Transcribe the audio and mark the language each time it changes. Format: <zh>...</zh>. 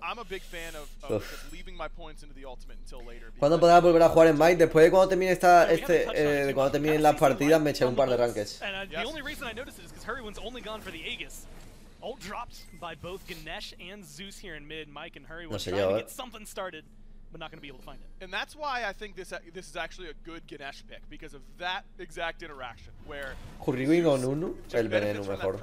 <en>I'm a big fan of leaving my points into the ultimate until later.</en> <es>¿Cuándo podrá volver a jugar en Might? Después de cuando termine esta cuando terminen las partidas me eché un par de ranques.</es> <en>And the only reason I noticed it is because Hurriwin's only gone for the Aegis. Ult dropped by both Ganesh and Zeus here in mid. Mike and Hurriwin trying to get something started, but not going to be able to find it. And that's why I think this is actually a good Ganesh pick, because of that exact interaction where</en> <es>Hurriwin o Nunu, el veneno mejor.</es>